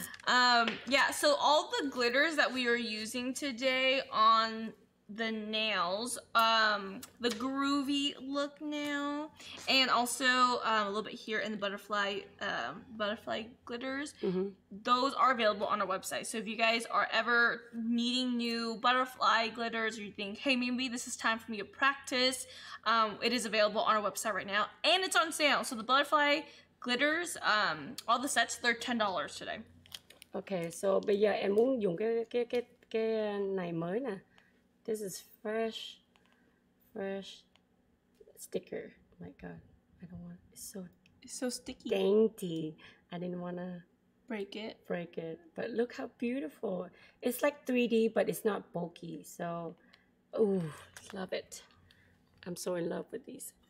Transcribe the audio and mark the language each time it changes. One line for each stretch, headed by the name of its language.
English: Yeah, so all the glitters that we are using today on the nails, the groovy look nail, and also a little bit here in the butterfly butterfly glitters, those are available on our website. So if you guys are ever needing new butterfly glitters, or you think, hey, maybe this is time for me to practice, it is available on our website right now, and it's on sale. So the butterfly glitters, all the sets, they're $10 today. Okay, so
Vietnamese: bây giờ em muốn dùng cái này mới nè.
English: This is fresh sticker. Oh my god, I don't want, it's so sticky. Dainty. I didn't wanna break it. But look how beautiful. It's like 3D, but it's not bulky. So, ooh, love it. I'm so in love with these.